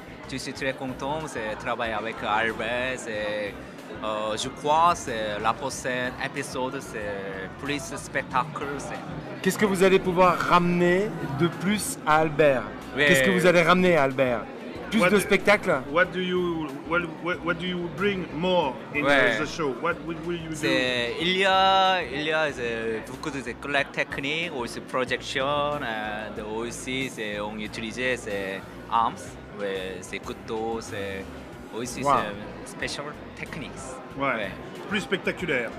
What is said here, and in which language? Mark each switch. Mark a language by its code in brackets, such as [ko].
[fr] Je suis très content de travailler avec Albert. Je crois que la prochaine épisode, c'est plus spectacle. Qu'est-ce que vous allez pouvoir ramener de plus à Albert? Qu'est-ce que vous allez ramener à Albert? Plus de spectacle? [en] What do you bring more into the show? What will you do? [fr] Il y a beaucoup de collectes techniques, aussi projection, et aussi on utilise ces armes. C'est couteau, c'est aussi [en] special techniques. [fr] Ouais. Plus spectaculaire.